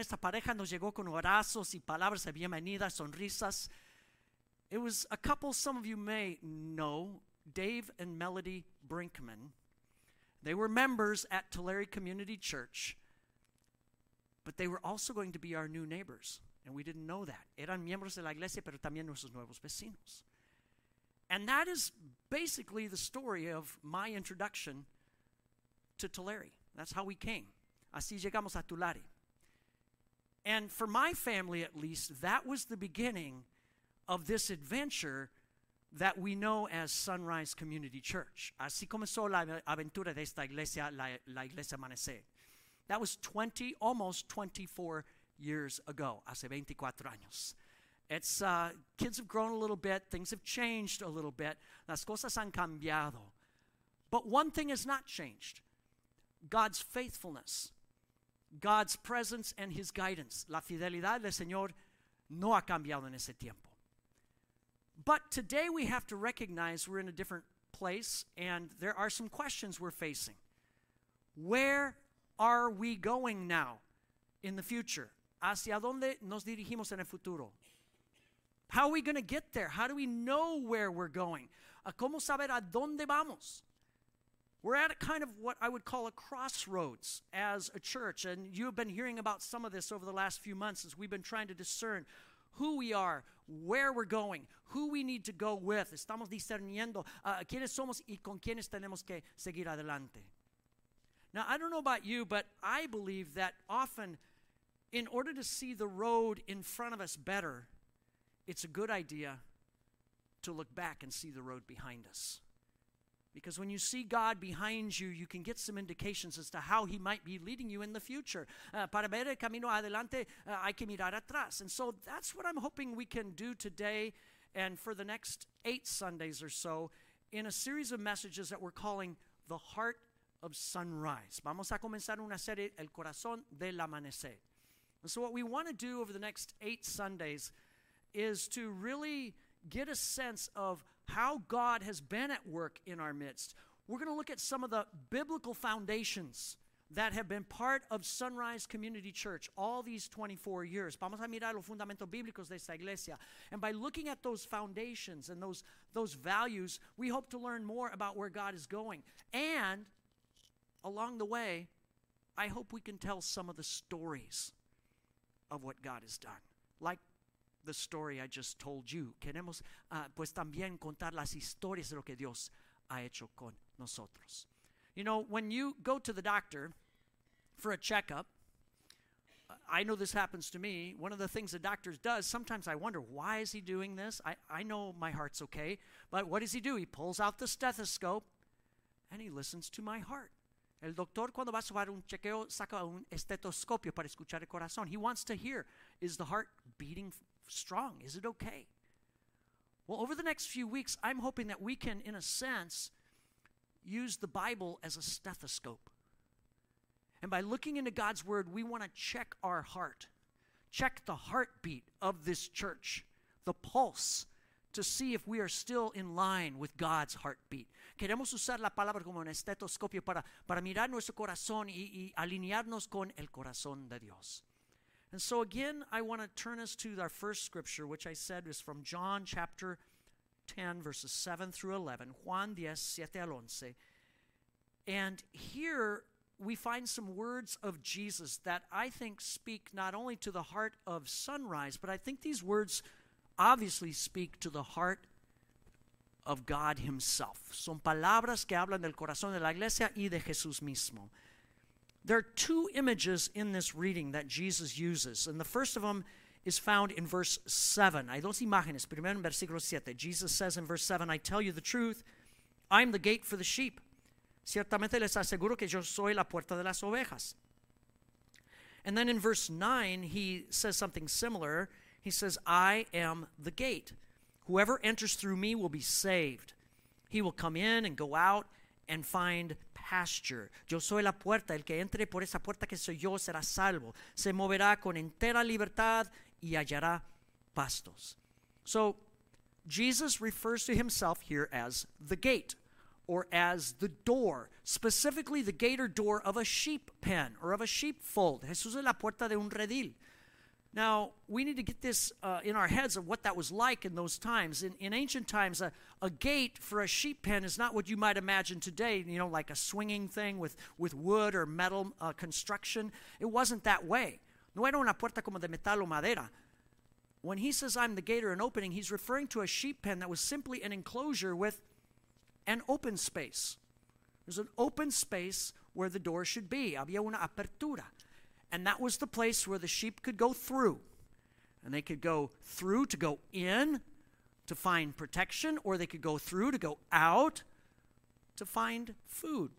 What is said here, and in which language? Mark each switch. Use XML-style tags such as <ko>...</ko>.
<es>Esta pareja nos llegó con abrazos y palabras de bienvenida, sonrisas.</es> <en>It was a couple some of you may know, Dave and Melody Brinkman. They were members at Tulare Community Church, but they were also going to be our new neighbors, and we didn't know that.</en> <es>Eran miembros de la iglesia, pero también nuestros nuevos vecinos.</es> <en>And that is basically the story of my introduction to Tulare. That's how we came.</en> <es>Así llegamos a Tulare.</es> <en>And for my family, at least, that was the beginning of this adventure that we know as Sunrise Community Church.</en> <es>Así comenzó la aventura de esta iglesia, la iglesia Amanecer.</es> <en>That was almost 24 years ago,</en> <es>hace 24 años.</es> <en>It's kids have grown a little bit, things have changed a little bit,</en> <es>las cosas han cambiado.</es> <en>But one thing has not changed: God's faithfulness, God's presence, and His guidance.</en> <es>La fidelidad del Señor no ha cambiado en ese tiempo.</es> <en>But today we have to recognize we're in a different place, and there are some questions we're facing. Where are we going now in the future?</en> <es>¿Hacia dónde nos dirigimos en el futuro?</es> <en>How are we going to get there? How do we know where we're going?</en> <es>¿Cómo saber a dónde vamos?</es> <en>We're at a kind of what I would call a crossroads as a church, and you've been hearing about some of this over the last few months as we've been trying to discern who we are, where we're going, who we need to go with.</en> <es>Estamos discerniendo quiénes somos y con quiénes tenemos que seguir adelante.</es> <en>Now, I don't know about you, but I believe that often In order to see the road in front of us better, it's a good idea to look back and see the road behind us. Because when you see God behind you, you can get some indications as to how he might be leading you in the future.</en> <es>Para ver el camino adelante, hay que mirar atrás.</es> <en>And so that's what I'm hoping we can do today and for the next 8 Sundays or so in a series of messages that we're calling The Heart of Sunrise.</en> <es>Vamos a comenzar una serie, El Corazón del Amanecer.</es> <en>And so what we want to do over the next 8 Sundays is to really get a sense of how God has been at work in our midst. We're going to look at some of the biblical foundations that have been part of Sunrise Community Church all these 24 years.</en> <es>Vamos a mirar los fundamentos bíblicos de esta iglesia.</es> <en>And by looking at those foundations and those values, we hope to learn more about where God is going. And along the way, I hope we can tell some of the stories of what God has done. Like the story I just told you.</en> <es>Queremos pues también contar las historias de lo que Dios ha hecho con nosotros.</es> <en>You know, when you go to the doctor for a checkup, I know this happens to me. One of the things the doctor does, sometimes I wonder, why is he doing this? I know my heart's okay, but what does he do? He pulls out the stethoscope and he listens to my heart.</en> <es>El doctor, cuando va a hacer un chequeo, saca un estetoscopio para escuchar el corazón.</es> <en>He wants to hear, is the heart beating strong? Is it okay? Well, over the next few weeks, I'm hoping that we can, in a sense, use the Bible as a stethoscope. And by looking into God's word, we want to check our heart, check the heartbeat of this church, the pulse, to see if we are still in line with God's heartbeat.</en> <es>Queremos usar la palabra como un estetoscopio para mirar nuestro corazón y alinearnos con el corazón de Dios.</es> <en>And so again, I want to turn us to our first scripture, which I said is from John chapter 10, verses 7 through 11,</en> <es>Juan 10, 7 al 11.</es> <en>And here we find some words of Jesus that I think speak not only to the heart of Sunrise, but I think these words obviously speak to the heart of God himself.</en> <es>Son palabras que hablan del corazón de la iglesia y de Jesús mismo.</es> <en>There are two images in this reading that Jesus uses, and the first of them is found in verse 7.</en> <es>Hay dos imágenes. Primero en versículo 7.</es> <en>Jesus says in verse 7, I tell you the truth, I am the gate for the sheep.</en> <es>Ciertamente les aseguro que yo soy la puerta de las ovejas.</es> <en>And then in verse 9, he says something similar. He says, I am the gate. Whoever enters through me will be saved. He will come in and go out and find pasture.</en> <es>Yo soy la puerta. El que entre por esa puerta que soy yo será salvo. Se moverá con entera libertad y hallará pastos.</es> <en>So, Jesus refers to himself here as the gate, or as the door, specifically the gate or door of a sheep pen, or of a sheepfold.</en> <es>Jesús es la puerta de un redil.</es> <en>Now, we need to get this in our heads of what that was like in those times. In ancient times, a gate for a sheep pen is not what you might imagine today, you know, like a swinging thing with wood or metal construction. It wasn't that way.</en> <es>No era una puerta como de metal o madera.</es> <en>When he says, I'm the gate or an opening, he's referring to a sheep pen that was simply an enclosure with an open space. There's an open space where the door should be.</en> <es>Había una apertura.</es> <en>And that was the place where the sheep could go through. And they could go through to go in to find protection, or they could go through to go out to find food.</en>